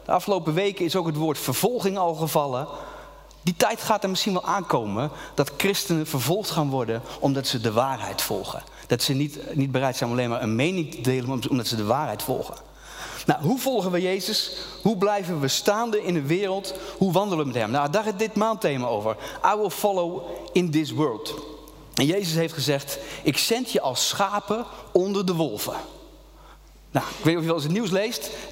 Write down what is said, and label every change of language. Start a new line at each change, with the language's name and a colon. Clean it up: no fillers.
Dutch: De afgelopen weken is ook het woord vervolging al gevallen. Die tijd gaat er misschien wel aankomen dat christenen vervolgd gaan worden omdat ze de waarheid volgen. Dat ze niet bereid zijn om alleen maar een mening te delen, maar omdat ze de waarheid volgen. Nou, hoe volgen we Jezus? Hoe blijven we staande in de wereld? Hoe wandelen we met hem? Nou, daar gaat dit maandthema over.
English: I will follow in this world.
Dutch: En Jezus heeft gezegd, ik zend je als schapen onder de wolven. Nou, ik weet niet of je wel eens het nieuws leest.